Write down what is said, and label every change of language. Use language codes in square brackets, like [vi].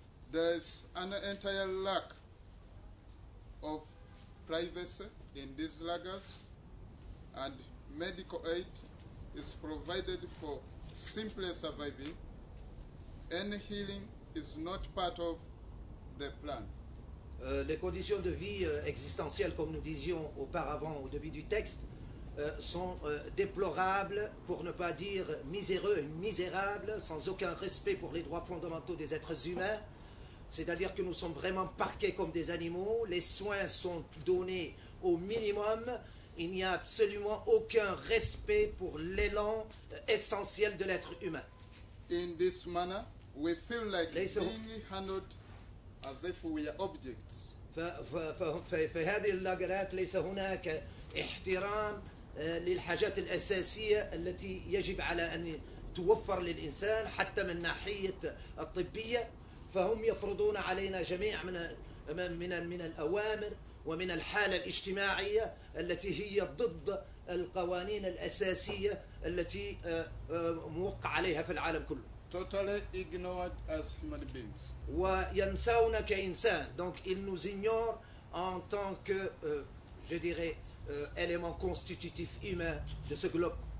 [en] There's an entire lack of privacy in these lagers, and medical aid is provided for simply surviving. Any healing is not part of the plan. [fr] Les conditions de vie existentielles, comme nous disions auparavant au début du texte, sont déplorables, pour ne pas dire miséreux et misérables, sans aucun respect pour les droits fondamentaux des êtres humains. C'est-à-dire que nous sommes vraiment parqués comme des animaux, les soins sont donnés au minimum, il n'y a absolument aucun respect pour l'élan essentiel de l'être humain. [en] In this manner, we feel like being handled as if we are objects. [ar] في هذه اللاجرات ليس هناك احترام للحاجات الأساسية التي يجب على أن توفر للإنسان حتى من ناحية الطبية. فهم يفرضون علينا جميع من الأوامر ومن الحالة الاجتماعية التي هي ضد القوانين الأساسية التي موقع عليها في العالم كله. [en] Totally ignored as human beings. [ar] وينساونا كإنسان. [fr] Donc ils nous ignorent en tant que, je dirais, élément constitutif humain de ce globe.